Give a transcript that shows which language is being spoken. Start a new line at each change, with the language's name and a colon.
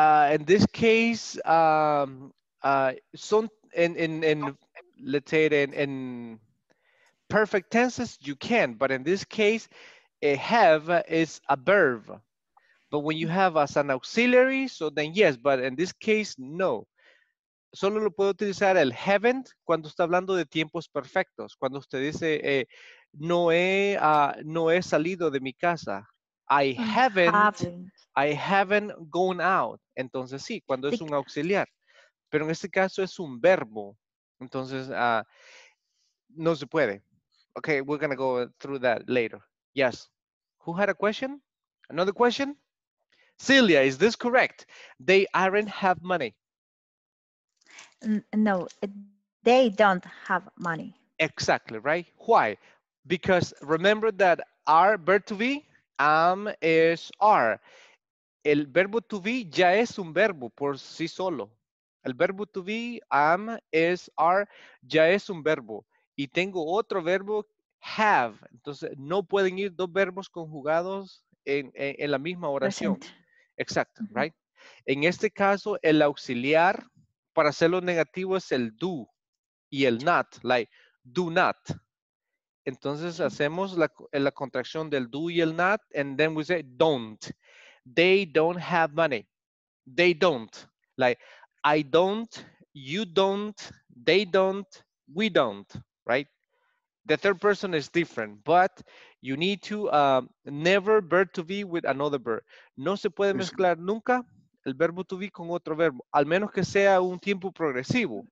English: In this case, let's say in perfect tenses, you can, but in this case, a have is a verb. But when you have as an auxiliary, so then yes, but in this case, no.
Spanish: Solo lo puedo utilizar el haven't cuando está hablando de tiempos perfectos. Cuando usted dice, no he salido de mi casa.
English: I haven't gone out.
Spanish: Entonces sí, cuando es un auxiliar. Pero en este caso es un verbo. Entonces no se puede.
English: Okay, we're going to go through that later. Yes. Who had a question? Another question? Celia, is this correct? They aren't have money. No, they don't have money. Exactly, right? Why? Because remember that are verb to be, am is are.
Spanish: El verbo to be ya es un verbo por sí solo. El verbo to be, am, is, are, ya es un verbo. Y tengo otro verbo, have. Entonces, no pueden ir dos verbos conjugados en la misma oración.
English: Present.
Spanish: Exacto, mm-hmm. Right? En este caso, el auxiliar para hacerlo negativo es el do y el not, like do not. Entonces, mm-hmm. Hacemos la contracción del do y el not,
English: and then we say don't. They don't have money. They don't. Like, I don't, you don't, they don't, we don't, right? The third person is different, but you need to never verb to be with another verb.
Spanish: No se puede mezclar nunca el verbo to be con otro verbo, al menos que sea un tiempo progresivo.